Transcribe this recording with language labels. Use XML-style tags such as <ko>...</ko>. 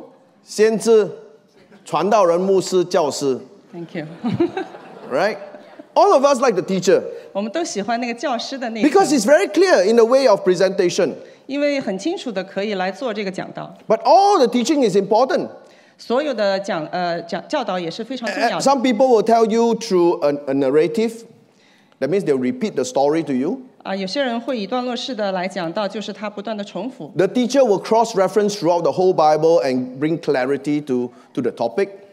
<zh>有信徒，使徒，先知，传道人，牧师，教师。</zh> <en>Thank you. Right. All of us like the teacher.</en> <zh>我们都喜欢那个教师的那个。</zh> <en>Because it's very clear in the way of presentation.</en> <zh>因为很清楚的可以来做这个讲道。</zh> <en>But all the teaching is important.</en> <zh>所有的教导也是非常重要的。</zh> <en>Some people will tell you through a narrative. That means they'll repeat the story to you.</en> <zh>有些人会以段落式的来讲道，就是他不断的重复。</zh> <en>The teacher will cross-reference throughout the whole Bible and bring clarity to the topic.</en>